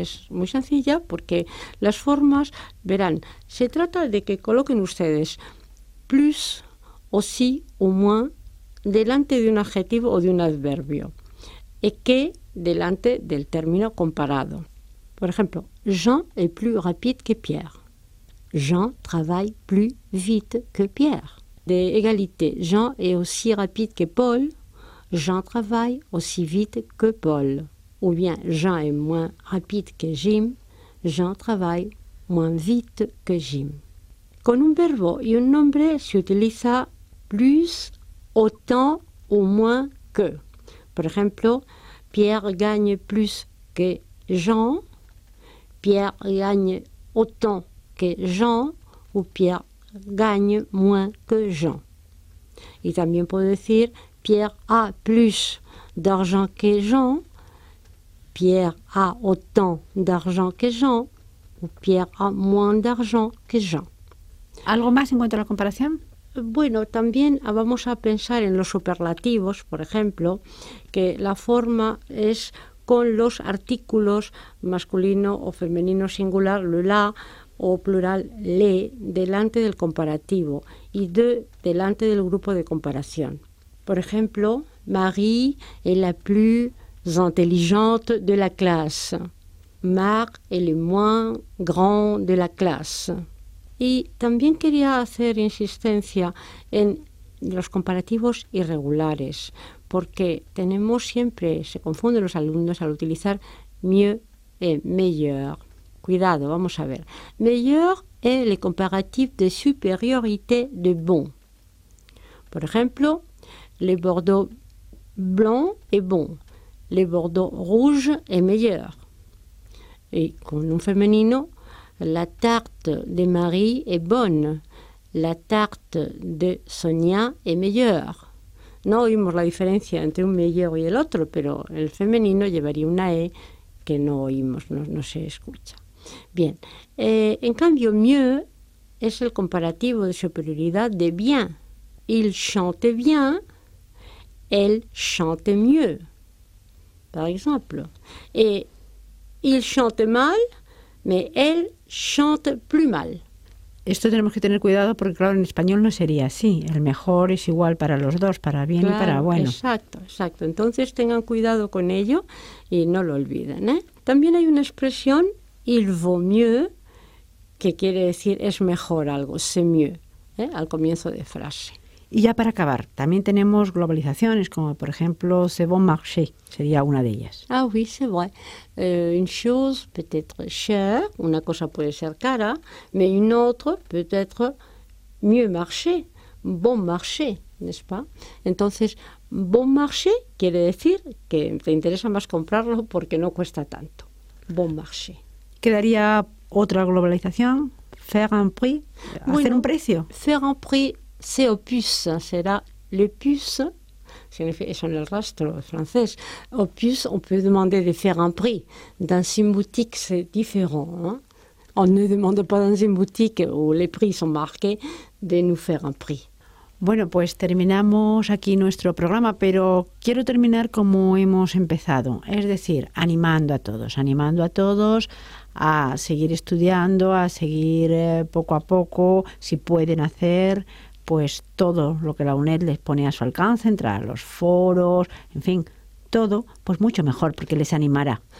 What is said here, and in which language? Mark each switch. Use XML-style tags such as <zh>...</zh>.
<es>Es muy sencilla porque las formas, verán, se trata de que coloquen ustedes plus, o sí, o moins, delante de un adjetivo o de un adverbio, y que delante del término comparado. Por ejemplo,</es> <fr>Jean est plus rapide que Pierre. Jean travaille plus vite que Pierre. De égalité, Jean est aussi rapide que Paul. Jean travaille aussi vite que Paul. Ou bien, Jean est moins rapide que Jim. Jean travaille moins vite que Jim.</fr> <es>Con un verbo y un nombre se utiliza plus, autant, ou moins que. Por ejemplo,</es> <fr>Pierre gagne plus que Jean. Pierre gagne autant que Jean, ou Pierre gagne moins que Jean.</fr> <es>Y también puedo decir,</es> <fr>Pierre a plus d'argent que Jean, Pierre a autant d'argent que Jean, ou Pierre a moins d'argent que Jean.</fr> <es>¿Algo más en cuanto a la comparación? Bueno, también vamos a pensar en los superlativos, por ejemplo, que la forma es con los artículos masculino o femenino singular, le la, o plural, le, delante del comparativo, y de, delante del grupo de comparación. Por ejemplo,</es> <fr>Marie est la plus intelligente de la classe. Marc est le moins grand de la classe.</fr> <es>Y también quería hacer insistencia en los comparativos irregulares, porque tenemos siempre, se confunden los alumnos al utilizar</es> <fr>mieux et meilleur.</fr> <es>Cuidado, vamos a ver. Meilleur es el comparativo de superioridad de bon. Por ejemplo,</es> <fr>le Bordeaux blanc</fr> <es>es</es> <fr>bon. Le Bordeaux rouge</fr> <es>es</es> <fr>meilleur.</fr> <es>Y con un femenino,</es> <fr>la tarte de Marie</fr> <es>es bonne.</es> <fr>La tarte de Sonia es meilleure.</fr> <es>No oímos la diferencia entre un meilleur y el otro, pero el femenino llevaría una E que no oímos, no se escucha. Bien, en cambio, mieux es el comparativo de superioridad de bien.</es> <fr>Il chante bien, elle chante mieux, par exemple. Et il chante mal, mais elle chante plus mal.</fr> <es>Esto tenemos que tener cuidado porque, claro, en español no sería así. El mejor es igual para los dos, para bien, claro, y para bueno. Exacto, exacto. Entonces tengan cuidado con ello y no lo olviden, ¿eh? También hay una expresión,</es> <fr>il vaut mieux,</fr> <es>que quiere decir es mejor algo,</es> <fr>c'est mieux,</fr> <es>¿eh?, al comienzo de frase. Y ya para acabar, también tenemos globalizaciones, como por ejemplo,</es> <fr>c'est bon marché,</fr> <es>sería una de ellas.</es> <fr>Ah, oui, c'est vrai. Une chose peut être chère,</fr> <es>una cosa puede ser cara,</es> <fr>mais une autre peut être mieux marché, bon marché, n'est-ce pas?</fr> <es>Entonces, bon marché quiere decir que te interesa más comprarlo porque no cuesta tanto.</es> <fr>Bon marché.</fr> <es>¿Quedaría otra globalización?</es> <fr>Faire un prix,</fr> <es>hacer, bueno, un precio.</es> <fr>Faire un prix, c'est au puce, será le puce, significa eso en el rastro francés. Au puce, on peut demander de faire un prix. Dans une boutique, c'est différent. Hein? On ne demande pas dans une boutique où les prix sont marqués de nous faire un prix.</fr> <es>Bueno, pues terminamos aquí nuestro programa, pero quiero terminar como hemos empezado, es decir, animando a todos a seguir estudiando, a seguir poco a poco, si pueden hacer, pues todo lo que la UNED les pone a su alcance, entrar a los foros, en fin, todo, pues mucho mejor, porque les animará.</es>